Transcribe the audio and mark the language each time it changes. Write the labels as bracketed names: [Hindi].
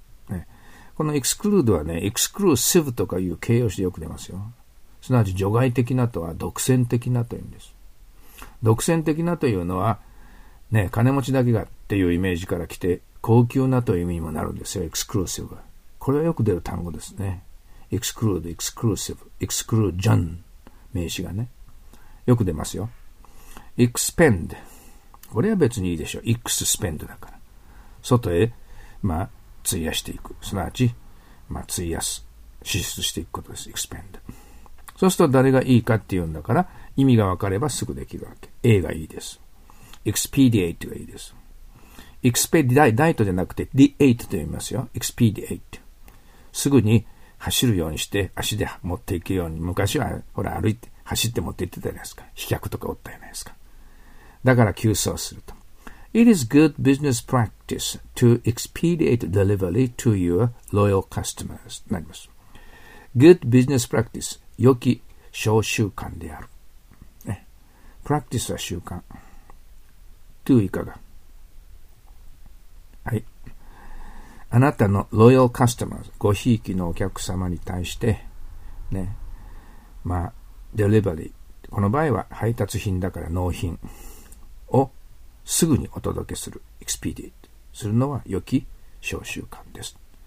[Japanese] ね、この exclude はね、exclusive とかいう形容詞でよく出ますよ。すなわち除外的なとは、独占的なという意味です。独占的なというのは、ね、金持ちだけがっていうイメージから来て、高級なという意味にもなるんですよ、exclusive は。これはよく出る単語ですね。 exclude, exclusive, exclusion 名詞がね。よく出ますよ。expend. これは別にいいでしょう。 expend だから。外へ、まあ、費やしていく。すなわち、まあ、費やす。支出していくことです。 [English] expend. [Japanese] そうすると誰がいいかっていうんだから、意味が分かればすぐできるわけ。 A がいいです。 expediate がいいです。expedite じゃなくて deate と言いますよ。 [English] expediate。 [Japanese] すぐに走るようにして、足で持っていくように、昔は、ほら、歩いて、走って持って行ってたじゃないですか。飛脚とかおったじゃないですか。だから、急走すると。 [English] It is good business practice to expedite delivery to your loyal customers. [Japanese] なります。 [English] Good business practice. [Japanese] 良き小習慣である。ね。 Practice は習慣。to いかが。はい。あなたのロイヤルカスタマー、ごひいきのお客様に対して、ね、まあ、デリバリー、この場合は配達品だから納品をすぐにお届けする、エクスペディート、するのは良き小習慣です。